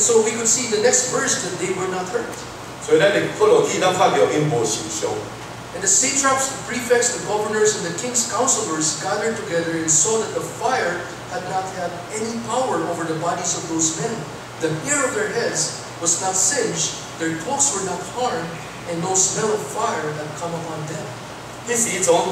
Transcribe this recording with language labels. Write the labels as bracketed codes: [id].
[en] so we could see the next verse that they were not hurt. [nan] 所以咱伫看落去，咱看到因无受伤。 [en] And the satraps, the prefects, the governors, and the king's counselors gathered together and saw that the fire had not had any power over the bodies of those men. The hair of their heads was not singed, their cloaks were not harmed, and no smell of fire had come upon them.